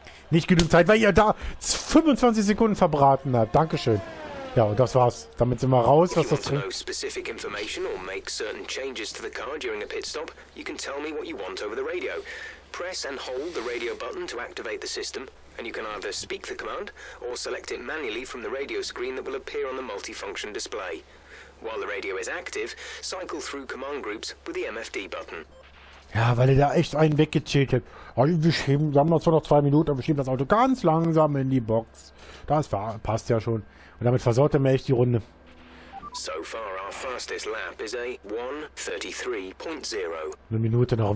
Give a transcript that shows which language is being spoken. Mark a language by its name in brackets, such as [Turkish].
[German] Nicht genug Zeit, weil ihr da 25 Sekunden verbraten habt. Dankeschön. Ja, und das war's. Damit sind wir raus, was das drin. [English] Specific information or make certain changes to the car during a pit stop, you can tell me what you want over the radio. Press and hold the radio button to activate the system. And you can either speak the command or select it manually from the radio screen that will appear on the multifunction display. While the radio is active, cycle through command groups with the MFD button. [German] Ja, weil er da echt einen weggechillt hat. Also wir schieben, wir haben noch zwar noch 2 Minuten, aber wir schieben das Auto ganz langsam in die Box. Das passt ja schon. Und damit versaut er mir echt die Runde. [English] So far our fastest lap is a 1:33.0. [German] Eine Minute noch.